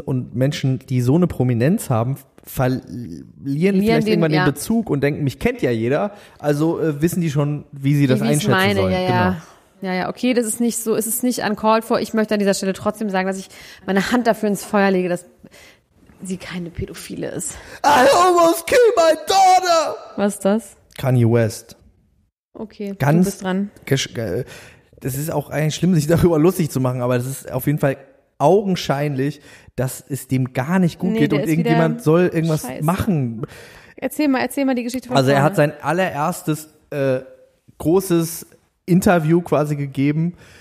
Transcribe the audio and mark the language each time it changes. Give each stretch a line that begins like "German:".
German: Und Menschen, die so eine Prominenz haben, verlieren vielleicht irgendwann den Bezug und denken, mich kennt ja jeder. Also wissen die schon, wie sie das einschätzen meine, sollen. Ja. Genau. Ja, ja, okay, das ist nicht so, es ist nicht
English: uncalled for.
German: Ich möchte an dieser Stelle trotzdem sagen, dass ich meine Hand dafür ins Feuer lege, dass sie keine Pädophile ist.
English: I almost killed my daughter!
German: Was ist das? Kanye West. Okay, ganz du bist dran. Das ist auch eigentlich schlimm, sich darüber lustig zu machen, aber das ist auf jeden Fall augenscheinlich, dass es dem gar nicht gut geht und irgendjemand soll irgendwas machen. Erzähl mal die Geschichte von Also er hat sein allererstes großes Interview quasi gegeben.